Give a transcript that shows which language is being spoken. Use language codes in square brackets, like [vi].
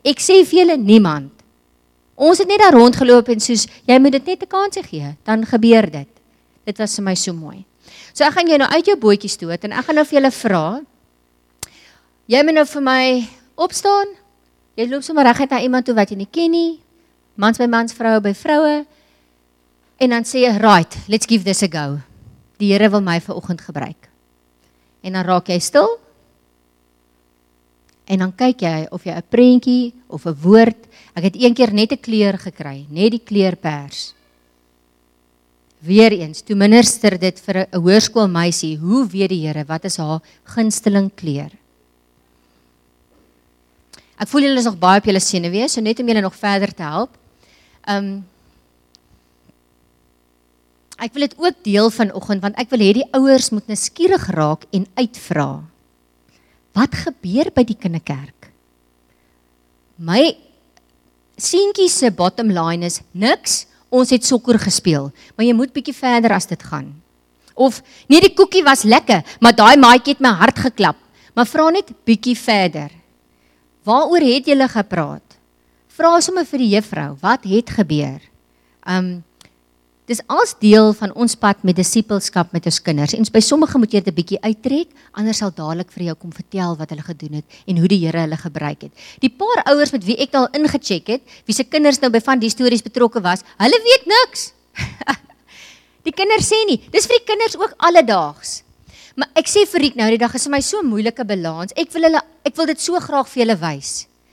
[af] Ek sê vir julle, niemand. Ons het net daar rondgeloop en soos, jy moet dit net 'n kans gee, dan gebeur dit. Dit was vir my so mooi. So ek gaan jou nou uit jou bootjie stoot, en ek gaan nou vir julle vra, jy moet nou vir my opstaan, jy loop sommer reguit na iemand toe wat jy nie ken nie, mans by mans, vroue by vroue, en dan sê jy, [en] right, let's give this a go. [af] Die Here wil my vanoggend gebruik. En dan raak jy stil, en dan kyk jy of jy 'n prentjie of 'n woord, ek het een keer net 'n kleur gekry, net die kleur pers. Weereens, toe minister dit vir 'n hoërskoolmeisie, hoe weet die Here, wat is haar gunsteling kleur? Ek voel julle is nog baie op julle senuwees, so net om julle nog verder te help. Ek wil dit ook deel vanoggend, want ek wil hê die ouers moet nuuskierig raak en uitvra. Wat gebeur by die kinderkerk? My seentjie se bottom line is niks, ons het sokker gespeel, maar jy moet bietjie verder as dit gaan. Of nee, die koekie was lekker, maar daai maatjie het my hart geklap. Maar vra net bietjie verder. Waaroor het julle gepraat? Vra sommer vir die juffrou, wat het gebeur? Dis als deel van ons pad met disipelskap met ons kinders. En by sommige moet jy dit 'n bietjie uittrek, anders sal dadelik vir jou kom vertel wat hulle gedoen het en hoe die Here hulle gebruik het. Die paar ouers met wie ek al ingecheck het, wie se kinders nou by van die stories betrokke was, hulle weet niks. Die kinders sê nie, dis vir die kinders ook alledaags. Maar ek sê vir Riek nou, die dag is my so moeilike balans, ek wil dit so graag vir julle wys.